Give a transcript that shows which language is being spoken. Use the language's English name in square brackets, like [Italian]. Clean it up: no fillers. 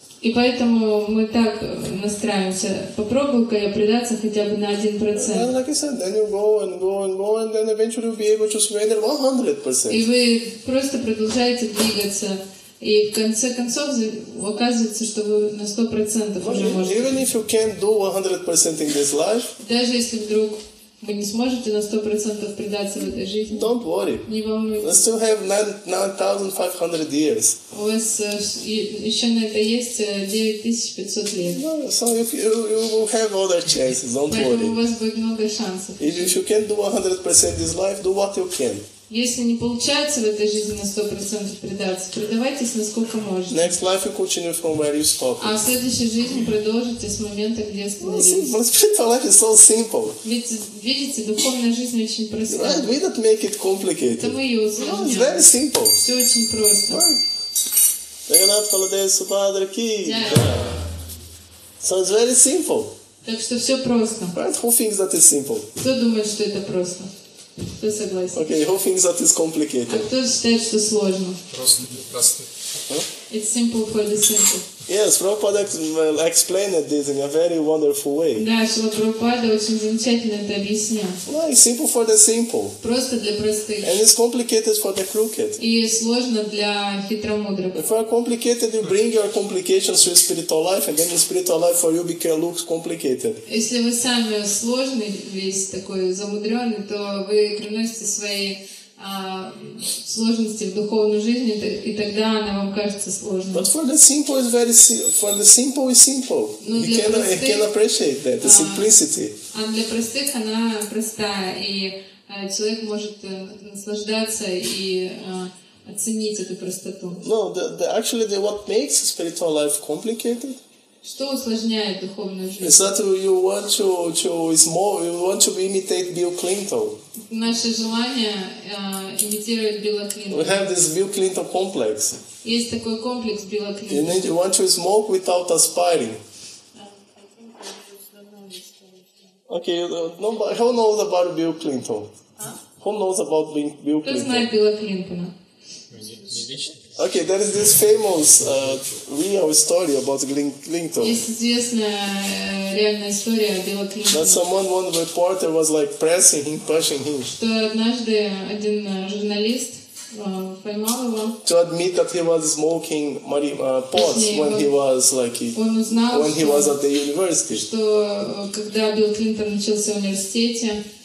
[Russian] И поэтому мы так настраиваемся. Попробую-ка я предаться хотя бы на 1%. [English] And like I said, then you go and go and go, and then eventually you'll be able to surrender 100%. [Russian] И вы просто продолжаете двигаться, И в конце концов оказывается, что вы на 100% уже можете. [English] Even if you can't do 100% in this life. [Russian] Даже если вдруг вы не сможете на 100% предаться в этой жизни. [English] Don't worry. [Russian] Не волнуйтесь. [English] We still have 9,500 years. [Russian] У вас еще на это есть 9500 лет. [English] No, so you will have other chances. Don't worry. [Russian] Поэтому у вас будет много шансов. [English] If you can't do 100% in this life, do what you can. [Russian] Если не получается в этой жизни на 100% предаться, предавайтесь насколько можно. [English] Next life you continue from where you stop. [Russian] А в следующей жизни продолжите с момента, где остановились. [English] Well, spiritual life is so simple. [Russian] Видите, духовная жизнь очень простая. [English] Right? We don't make it complicated. [Russian] Это мы ее усложняем. [English] No, it's very simple. [Russian] Все очень просто. [English] Right. Yeah. So it's very simple. [Russian] Так что все просто. [English] Right? Who thinks that it's simple? [Russian] Кто думает, что это просто? [English] Okay, who thinks that is complicated? [Russian] А кто считает, что сложно? Просто. [English] It's simple for the simple. Yes, Prabhupada explained this in a very wonderful way. [Russian] Да, Шрила Прабхупада очень замечательно это объяснил. [English] Well, it's simple for the simple. [Russian] Просто для простых. [English] And it's complicated for the crooked. [Russian] И сложно для хитромудрых. [English] If you're complicated, you bring your complications to your spiritual life, and then the spiritual life for you becomes looks complicated. [Russian] Если вы сами сложный, весь такой замудренный, то вы приносите свои сложности в духовную жизнь, и тогда она вам кажется сложной. [English] But for the simple is very simple. [Russian] Но [English] you can appreciate that, the simplicity. [Russian] А для простых она простая, и человек может наслаждаться и оценить эту простоту. [English] No, actually what makes spiritual life complicated? [Russian] Что усложняет духовную жизнь? [English] Is that you want to imitate Bill Clinton? [Russian] Наше желание имитировать Билла Клинтона. [English] We have this Bill Clinton complex. [Russian] Есть такой комплекс Билла Клинтона. [English] And then you want to smoke without aspiring. Okay, nobody, who knows about Bill Clinton? Huh? Who knows about Bill Clinton? [Russian] Кто знает Билла Клинтона? [English] Okay, there is this famous real story about Clinton. [Russian] Есть известная реальная история о Билле Клинтоне. [English] That someone, one reporter, was like pressing him, pushing him. [Russian] Что однажды один журналист поймал его. [English] To admit that he was smoking pot when he was like when he was at the university. [Russian] Что когда Билл Клинтон начался в университете.